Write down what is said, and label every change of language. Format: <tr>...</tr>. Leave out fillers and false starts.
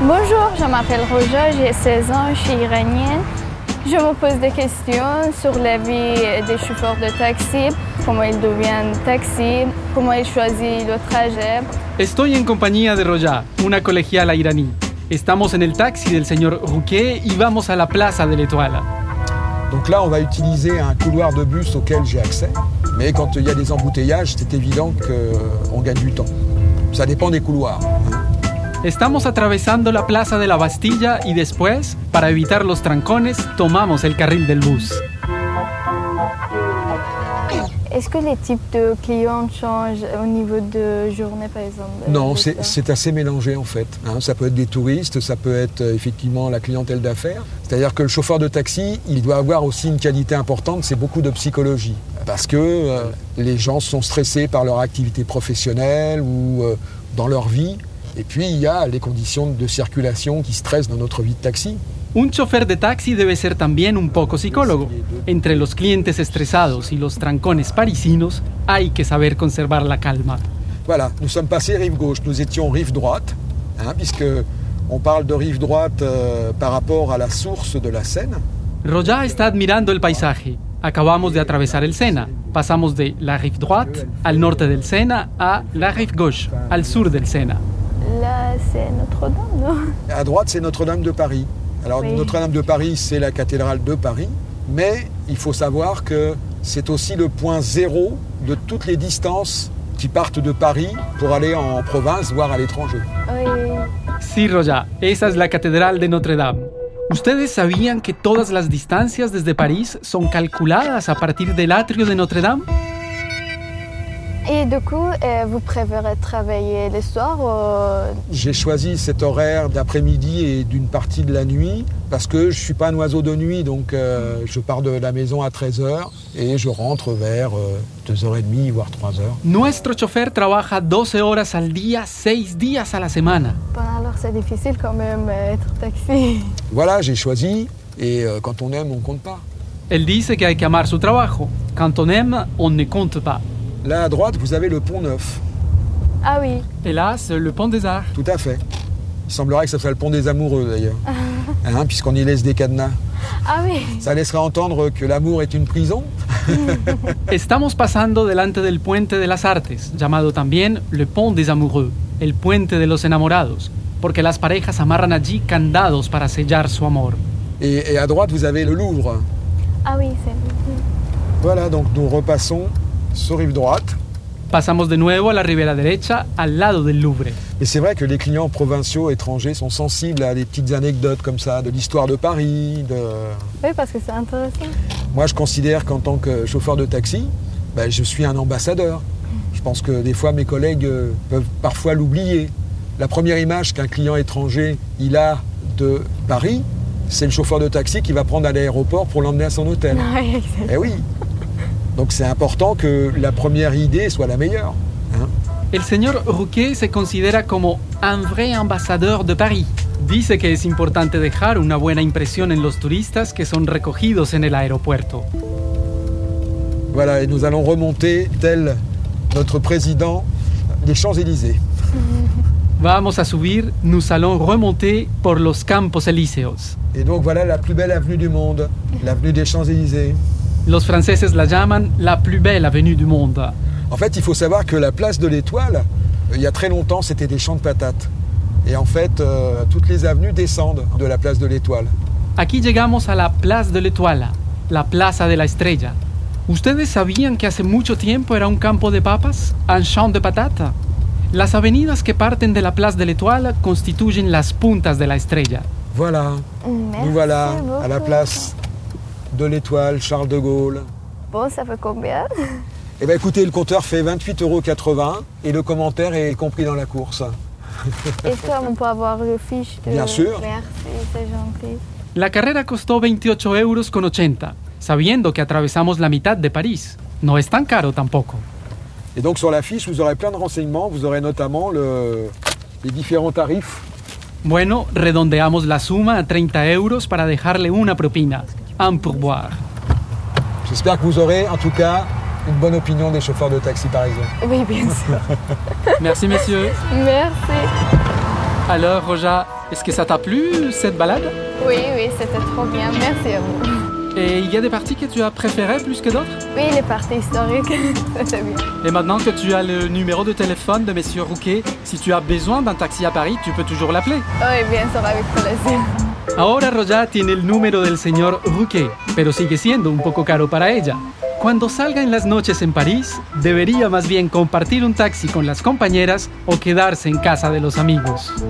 <fr>Bonjour, je m'appelle Roja, j'ai 16 ans, je suis iranienne. Je me pose des questions sur la vie des chauffeurs de taxi, comment ils deviennent taxi, comment ils choisissent le trajet.</fr> <es>Estoy en compañía de Roja, una colegiala iraní. Estamos en el taxi del señor Rouquet y vamos a la Plaza de l'Étoile.</es> <fr>Donc là, on va utiliser un couloir de bus auquel j'ai accès. Mais quand il y a des embouteillages, c'est évident qu'on gagne du temps. Ça dépend des couloirs.</fr> <es>Estamos atravesando la Plaza de la Bastilla y después, para evitar los trancones, tomamos el carril del bus.</es> <fr>Est-ce que les types de clients changent au niveau de journée, par exemple? Non, c'est assez mélangé, en fait. Hein, ça peut être des touristes, ça peut être effectivement la clientèle d'affaires. C'est-à-dire que le chauffeur de taxi, il doit avoir aussi une qualité importante, c'est beaucoup de psychologie. Parce que les gens sont stressés par leur activité professionnelle ou dans leur vie. Et puis, il y a les conditions de circulation qui stressent dans notre vie de taxi.</fr> <es>Un chauffeur de taxi debe ser también un poco psicólogo. Entre los clientes estresados y los trancones parisinos, hay que saber conservar la calma.</es> <fr>Voilà, nous sommes passés rive gauche, nous étions rive droite, hein, puisque on parle de rive droite par rapport à la source de la Seine.</fr> <es>Roja está admirando el paisaje. Acabamos de atravesar el Sena. Pasamos de la rive droite, al norte del Sena, a la rive gauche, al sur del Sena.</es> <fr>Là, c'est Notre-Dame, non? À droite, c'est Notre-Dame de Paris. Alors, oui. Notre-Dame de Paris, c'est la cathédrale de Paris, mais il faut savoir que c'est aussi le point zéro de toutes les distances qui partent de Paris pour aller en province, voire à l'étranger. Oui.</fr> <es>Sí, Roja, esa es la cathédrale de Notre-Dame. ¿Ustedes sabían que todas las distancias desde París son calculadas a partir del atrio de Notre-Dame?</es> <fr>Et du coup, vous préférez travailler le soir ou... J'ai choisi cet horaire d'après-midi et d'une partie de la nuit parce que je ne suis pas un oiseau de nuit, donc je pars de la maison à 13h et je rentre vers 2h30, voire 3h. Nuestro chauffeur trabaja 12 horas al día, 6 días a la semana. Ben alors, c'est difficile quand même être taxi. Voilà, j'ai choisi et quand on aime, on ne compte pas.</fr> <es>Elle dice que hay que amar su trabajo.</es> <fr>Quand on aime, on ne compte pas. Là à droite, vous avez le pont Neuf. Ah oui. Et là, c'est le pont des Arts. Tout à fait. Il semblerait que ça soit le pont des amoureux, d'ailleurs. Hein, puisqu'on y laisse des cadenas. Ah oui. Ça laisserait entendre que l'amour est une prison.</fr> <es>Estamos pasando delante del puente de las Artes, llamado también</es> <fr>le pont des amoureux,</fr> <es>el puente de los enamorados, porque las parejas amarran allí candados para sellar su amor.</es> <fr>Et à droite, vous avez le Louvre. Ah oui, c'est le Louvre. Voilà, donc nous repassons. Sur rive droite.</fr> <es>Pasamos de nuevo a la ribera derecha, al lado del Louvre.</es> <fr>Mais c'est vrai que les clients provinciaux étrangers sont sensibles à des petites anecdotes comme ça, de l'histoire de Paris, de... Oui, parce que c'est intéressant. Moi, je considère qu'en tant que chauffeur de taxi, ben, je suis un ambassadeur. Je pense que des fois, mes collègues peuvent parfois l'oublier. La première image qu'un client étranger il a de Paris, c'est le chauffeur de taxi qui va prendre à l'aéroport pour l'emmener à son hôtel. Oui, eh oui. Donc c'est important que la première idée soit la meilleure. Hein?</fr> <es>El señor Rouquet se considera como un</es> <fr>vrai ambassadeur</fr> <es>de Paris. Dice que es importante dejar una buena impresión en los turistas que son recogidos en el aeropuerto.</es> <fr>Voilà, et nous allons remonter tel notre président des Champs-Élysées.</fr> <es>Vamos a subir,</es> <fr>nous allons remonter</fr> <es>por los Campos Elíseos.</es> <fr>Et donc voilà la plus belle avenue du monde, l'avenue des Champs-Élysées.</fr> <es>Los franceses la llaman</es> <fr>la plus belle avenue du monde. En fait, il faut savoir que la place de l'Étoile, il y a très longtemps, c'était des champs de patates. Et en fait, toutes les avenues descendent de la place de l'Étoile.</fr> <es>Aquí llegamos a la Place de l'Étoile, la Plaza de la Estrella. ¿Ustedes sabían que hace mucho tiempo era un campo de papas,</es> <fr>un champ de patates?</fr> <es>Las avenidas que parten de la Place de l'Étoile constituyen las puntas de la Estrella.</es> <fr>Voilà. Merci. Nous voilà beaucoup. À la place de l'Étoile, Charles de Gaulle. Bon, ça fait combien? Eh bien, écoutez, le compteur fait 28,80€ et le commentaire est compris dans la course. Est-ce qu'on peut avoir le fiche de... Bien sûr. Merci, c'est gentil.</fr> <es>La carrera costó 28,80€, sabiendo que atravesamos la mitad de Paris. No es tan caro tampoco.</es> <fr>Et donc, sur la fiche, vous aurez plein de renseignements. Vous aurez notamment les différents tarifs.</fr> <es>Bueno, redondeamos la suma a 30€ para dejarle una propina.</es> <fr>Un pourboire. J'espère que vous aurez, en tout cas, une bonne opinion des chauffeurs de taxi parisiens. Oui, bien sûr. Merci, messieurs. Merci. Alors, Roja, est-ce que ça t'a plu, cette balade? Oui, c'était trop bien. Merci à vous. Et il y a des parties que tu as préférées plus que d'autres? Oui, les parties historiques, c'était bien. Et maintenant que tu as le numéro de téléphone de Monsieur Rouquet, si tu as besoin d'un taxi à Paris, tu peux toujours l'appeler. Oui, bien sûr, avec plaisir.</fr> <es>Ahora Roja tiene el número del señor Rouquet, pero sigue siendo un poco caro para ella. Cuando salga en las noches en París, debería más bien compartir un taxi con las compañeras o quedarse en casa de los amigos.</es>